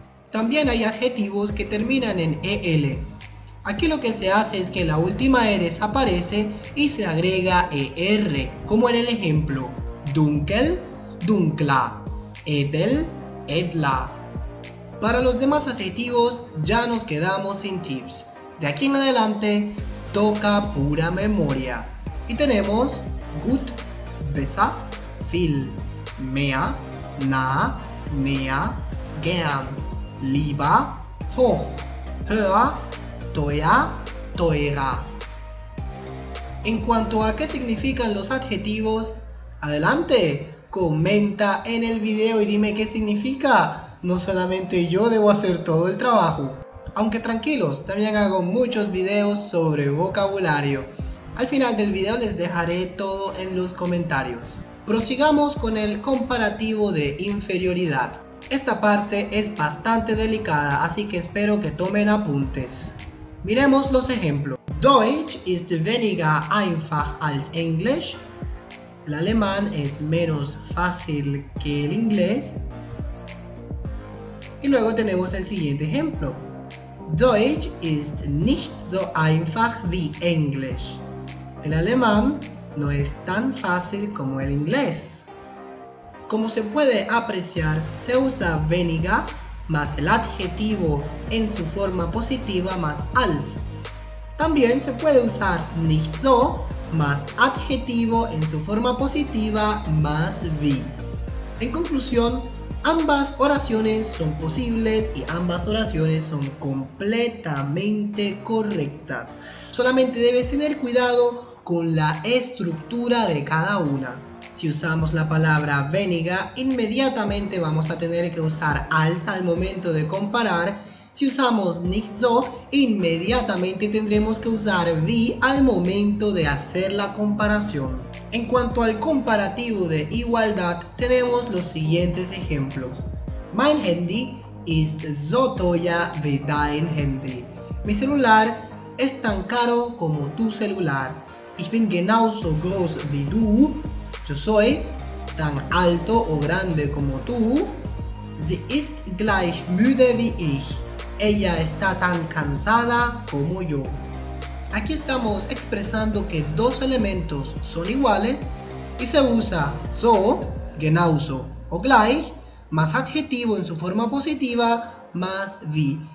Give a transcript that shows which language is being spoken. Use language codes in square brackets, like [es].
[es] También hay adjetivos que terminan en EL. Aquí lo que se hace es que la última E desaparece y se agrega ER, como en el ejemplo dunkel, dunkla, edel, edla. Para los demás adjetivos ya nos quedamos sin tips. De aquí en adelante, toca pura memoria. Y tenemos [de] gut, besser, viel, mehr, nah, näher, gern, lieber, hoch, höher, teuer, teurer. [es] En cuanto a qué significan los adjetivos, adelante, comenta en el video y dime qué significa. No solamente yo debo hacer todo el trabajo. Aunque tranquilos, también hago muchos videos sobre vocabulario. Al final del video les dejaré todo en los comentarios. Prosigamos con el comparativo de inferioridad. Esta parte es bastante delicada, así que espero que tomen apuntes. Miremos los ejemplos. [de] Deutsch ist weniger einfach als Englisch. [es] El alemán es menos fácil que el inglés. Y luego tenemos el siguiente ejemplo. [de] Deutsch ist nicht so einfach wie Englisch. [es] El alemán no es tan fácil como el inglés. Como se puede apreciar, se usa weniger más el adjetivo en su forma positiva más als. También se puede usar nicht so más adjetivo en su forma positiva más wie. En conclusión, ambas oraciones son posibles y ambas oraciones son completamente correctas. Solamente debes tener cuidado con la estructura de cada una. Si usamos la palabra weniger, inmediatamente vamos a tener que usar als al momento de comparar. Si usamos nicht so, inmediatamente tendremos que usar wie al momento de hacer la comparación. En cuanto al comparativo de igualdad, tenemos los siguientes ejemplos. [de] Mein Handy ist so teuer wie dein Handy. [es] Mi celular es tan caro como tu celular. [de] Ich bin genauso groß wie du. [es] Yo soy tan alto o grande como tú. [de] Sie ist gleich müde wie ich. [es] Ella está tan cansada como yo. Aquí estamos expresando que dos elementos son iguales y se usa so, genauso o gleich, más adjetivo en su forma positiva, más wie.